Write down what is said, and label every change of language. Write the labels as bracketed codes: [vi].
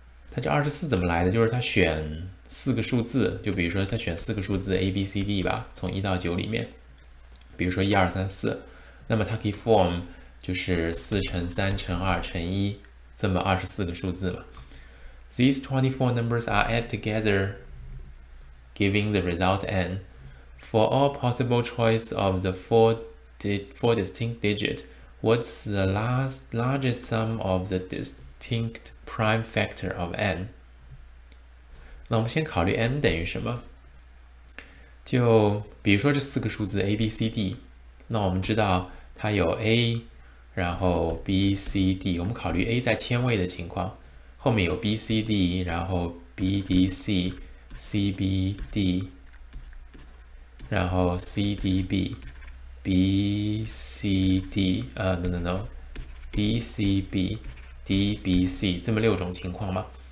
[zh] 他这24怎么来的？就是他选四个数字，就比如说他选四个数字 A、B、C、D 吧，从1到9里面，比如说一二三四，那么它可以 form 就是四乘三乘二乘一这么24个数字嘛。 [en] These 24 numbers are added together, giving the result n. For all possible choice of the four distinct digit, what's the largest sum of the distinct prime factor of n? [zh] 那我们先考虑 n 等于什么？就比如说这四个数字 a、b、c、d， 那我们知道它有 a， 然后 b、c、d， 我们考虑 a 在千位的情况，后面有 b、c、d， 然后 b、d、c、c、b、d， 然后 c、d、b、b、c、d， no， d、c、b、d、b、c， 这么六种情况嘛。